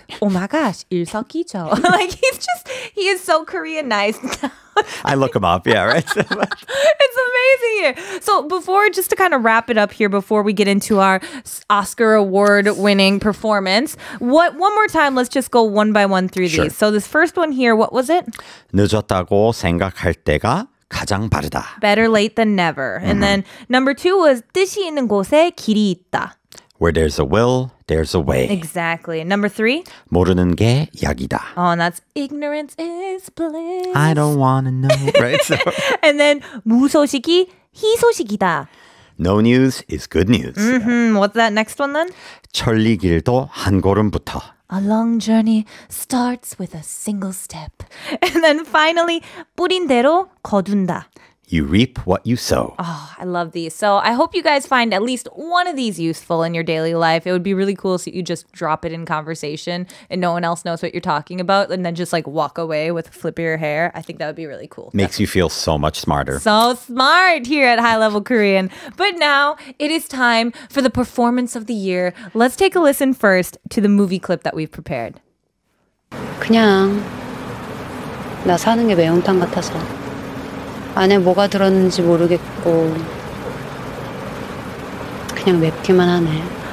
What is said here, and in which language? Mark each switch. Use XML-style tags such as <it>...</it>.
<en>Oh my gosh, 일석이조. Like, he is so Koreanized. I look him up, yeah, right? It's amazing here. So before, just to kind of wrap it up here, before we get into our Oscar award winning performance, what one more time, let's just go one by one through sure. these. So this first one here, what was it?</en> <ko>늦었다고 생각할 때가 가장 빠르다.</ko> <en>Better late than never. Mm-hmm. And then number two was</en> <ko>뜻이 있는 곳에 길이 있다.</ko> <en>Where there's a will, there's a way. Exactly. Number three.</en> <ko>모르는 게 약이다.</ko> <en>Oh, and that's ignorance is bliss. I don't want to know. Right? So. And then</en> <ko>무소식이 희소식이다.</ko> <en>No news is good news. Mm-hmm. Yeah. What's that next one then?</en> <ko>천리길도 한 걸음부터.</ko> <en>A long journey starts with a single step. And then finally,</en> <ko>뿌린 대로 거둔다.</ko> <en>You reap what you sow. Oh, I love these. So I hope you guys find at least one of these useful in your daily life. It would be really cool if you just drop it in conversation and no one else knows what you're talking about and then just like walk away with a flip of your hair. I think that would be really cool. Makes definitely. You feel so much smarter. So smart here at High Level Korean. But now it is time for the performance of the year. Let's take a listen first to the movie clip that we've prepared.</en> <ko>그냥 나 사는 게 매운탕 같아서 안에 뭐가 들었는지 모르겠고 그냥 맵기만 하네.</ko>